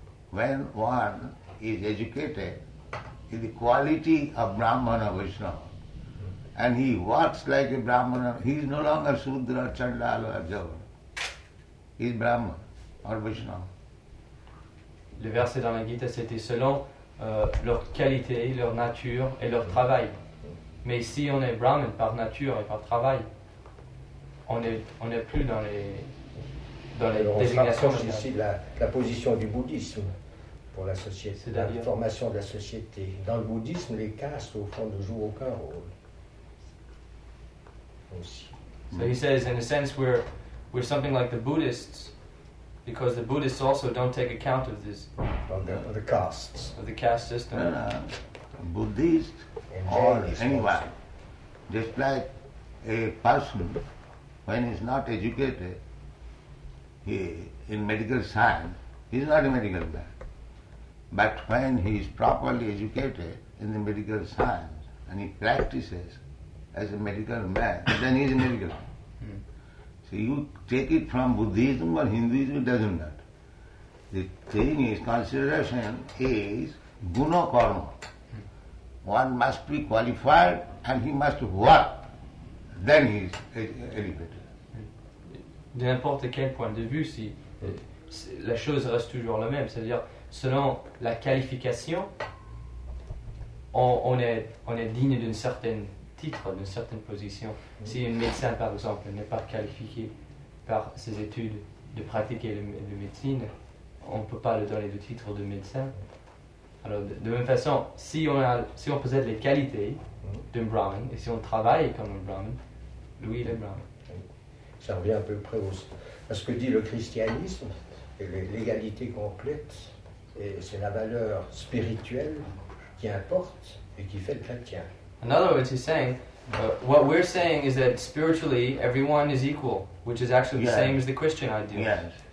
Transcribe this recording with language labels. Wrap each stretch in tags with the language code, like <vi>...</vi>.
<en>When one is educated in the quality of brahmana Vaishnava, and he works like a brahmana, he is no longer sudra, chandala, or javana. He is brahman or Vaishnava.</en> <fr>Le verset dans la Gita, c'était selon leur qualité, leur nature et leur travail. Mais si on est Brahman par nature et par travail, on est plus dans les alors désignations. On s'approche ici de la position du bouddhisme pour la société, c'est la formation de la société. Dans le bouddhisme, les castes, au fond, ne jouent aucun rôle. Aussi.</fr> <en>So he says, in a sense, we're something like the Buddhists, because the Buddhists also don't take account of this. Of the castes. Of the caste system. No. Buddhist or anyone, just like a person when he's not educated in medical science, he's not a medical man. But when he is properly educated in the medical science and he practices as a medical man, then he's a medical man. So you take it from Buddhism or Hinduism, it doesn't matter. The thing is, consideration is guna karma. One must be qualified and he must work. Then he is elevated.</en> <fr>De n'importe quel point de vue, si la chose reste toujours la même, c'est-à-dire selon la qualification, on est digne d'une certaine titre, d'une certaine position. Si un médecin, par exemple, n'est pas qualifié par ses études de pratiquer la médecine, on ne peut pas le donner de titre de médecin. Alors, de même façon, si on possède les qualités d'un Brahman, et si on travaille comme un Brahman, lui, il est Brahman. Ça revient à peu près à ce que dit le christianisme, et l'égalité complète, et c'est la valeur spirituelle qui importe et qui fait le chrétien.</fr> <en>In other words, he's saying, what we're saying is that spiritually everyone is equal, which is actually the same as the Christian idea.</en>